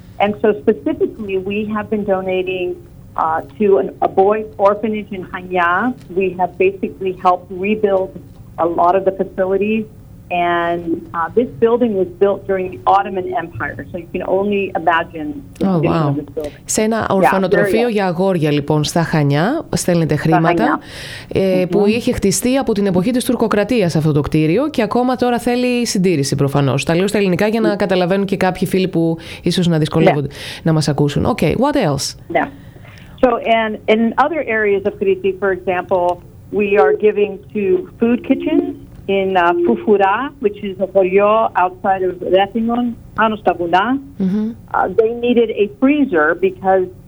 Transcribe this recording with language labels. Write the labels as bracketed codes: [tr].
[en] And so specifically, we have been donating to a boys' orphanage in Hania. We have basically helped rebuild a lot of the facilities. And this building was built during the Ottoman Empire, so you can only imagine the condition of this building. [el] Σε ένα ορφανοτροφείο για αγόρια, λοιπόν, στα Χανιά, στέλνετε χρήματα, που είχε χτιστεί από την εποχή της Τουρκοκρατίας αυτό το κτίριο και ακόμα τώρα θέλει συντήρηση προφανώς. Τα λέω στα ελληνικά για να καταλαβαίνουν και κάποιοι φίλοι που ίσως να δυσκολεύονται να μας ακούσουν. [en] Okay, what else? So, and in other areas of Crete, for example, we are giving to food kitchens in Fufura, which is a horio outside of Rethymnon, Panos Tavuna. They needed a freezer because